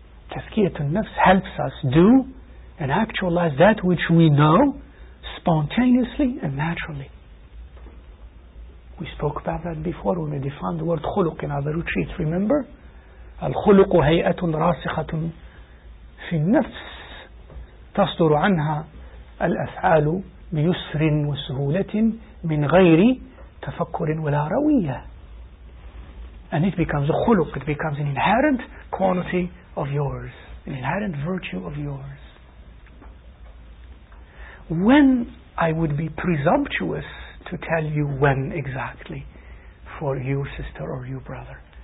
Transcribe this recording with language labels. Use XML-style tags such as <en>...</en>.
<en>Tazkiyatun nafs. tazkiyat al-nafs helps us do and actualize that which we know spontaneously and naturally. We spoke about that before when we defined the word khuluq in other retreats, remember?</en> <ar>الخلق هيئة راسخة في النفس تصدر عنها الأفعال بيسر وسهولة من غير تفكر ولا روية.</ar> <en>And it becomes a khuluq, it becomes an inherent quality of yours, an inherent virtue of yours. When I would be presumptuous to tell you when exactly for you, sister, or you, brother.</en>